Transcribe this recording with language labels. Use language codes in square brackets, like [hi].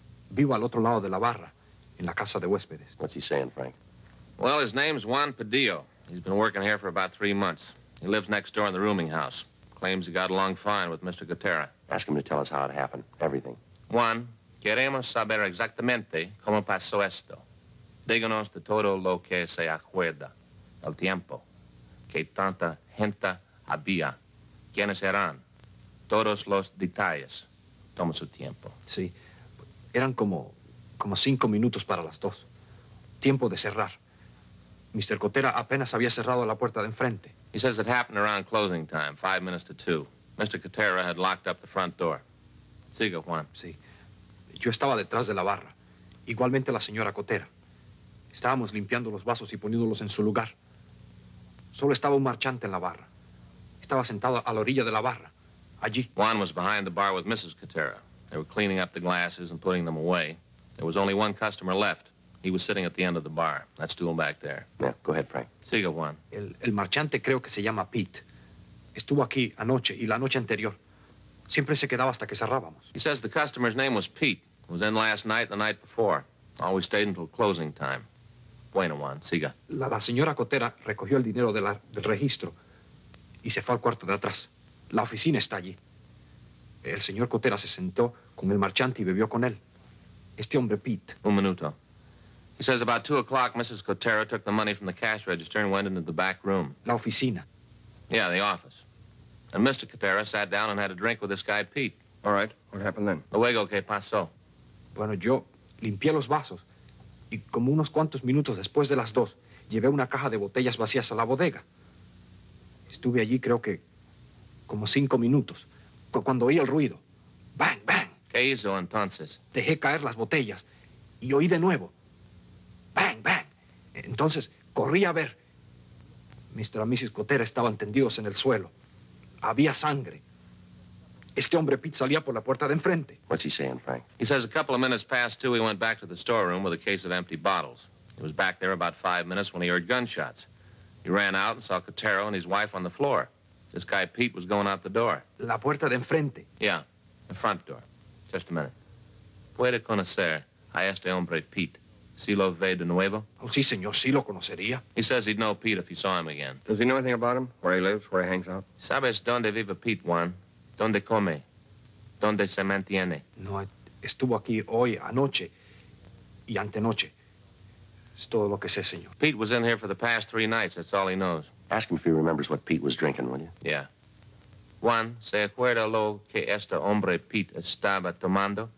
[es] Vivo al otro lado de la barra, en la casa de huéspedes. [en] What's he saying, Frank? Well, his name's Juan Pedillo. He's been working here for about 3 months. He lives next door in the rooming house. Claims he got along fine with Mr. Gutierrez. Ask him to tell us how it happened. Everything. [es] Juan, queremos saber exactamente cómo pasó esto. Díganos de todo lo que se acuerda. El tiempo. Que tanta gente había. ¿Quiénes eran? Todos los detalles. Toma su tiempo. Sí. Eran como 5 minutos para las 2. Tiempo de cerrar. Mr. Cotera apenas había cerrado la puerta de enfrente. [en] He says it happened around closing time, 2:05. Mr. Cotera had locked up the front door. [es] Siga, Juan. Sí. Yo estaba detrás de la barra. Igualmente la señora Cotera. Estábamos limpiando los vasos y poniéndolos en su lugar. Solo estaba un marchante en la barra. Estaba sentado a la orilla de la barra. Allí. [en] Juan was behind the bar with Mrs. Cotera. They were cleaning up the glasses and putting them away. There was only one customer left. He was sitting at the end of the bar. That stool back there. Yeah, go ahead, Frank. [es] Siga, Juan. El marchante creo que se llama Pete. Estuvo aquí anoche y la noche anterior. Siempre se quedaba hasta que cerrábamos. [en] He says the customer's name was Pete. It was in last night, the night before. Always stayed until closing time. [es] Bueno, Juan, siga. La señora Cotera recogió el dinero del registro y se fue al cuarto de atrás. La oficina está allí. El señor Cotera se sentó con el marchante y bebió con él. Este hombre, Pete. Un minuto. [en] He says about 2:00, Mrs. Cotero took the money from the cash register and went into the back room. [es] La oficina. [en] Yeah, the office. And Mr. Cotero sat down and had a drink with this guy, Pete. All right. What happened then? [es] Luego, ¿qué pasó? Bueno, yo limpié los vasos. Y como unos cuantos minutos después de las 2, llevé una caja de botellas vacías a la bodega. Estuve allí, creo que, como 5 minutos. Cuando oí el ruido. Bang, bang. ¿Qué hizo entonces? Dejé caer las botellas. Y oí de nuevo. Bang, bang. Entonces, corrí a ver. Mr. and Mrs. Cotera estaban tendidos en el suelo. Había sangre. Este hombre, Pete, salía por la puerta de enfrente. [en] What's he saying, Frank? He says a couple of minutes past 2, he went back to the storeroom with a case of empty bottles. He was back there about 5 minutes when he heard gunshots. He ran out and saw Cotero and his wife on the floor. This guy, Pete, was going out the door. [es] La puerta de enfrente. [en] Yeah, the front door. Just a minute. [es] ¿Puede conocer a este hombre, Pete? ¿Si lo ve de nuevo? Oh, sí, señor, sí lo conocería. [en] He says he'd know Pete if he saw him again. Does he know anything about him? Where he lives, where he hangs out? [es] ¿Sabes dónde vive Pete, Juan? ¿Dónde come? ¿Dónde se mantiene? No, estuvo aquí hoy, anoche y antenoche. Es todo lo que sé, señor. [en] Pete was in here for the past three nights. That's all he knows. Ask him if he remembers what Pete was drinking, will you? Yeah. [es] Juan, ¿se acuerda lo que este hombre Pete estaba tomando?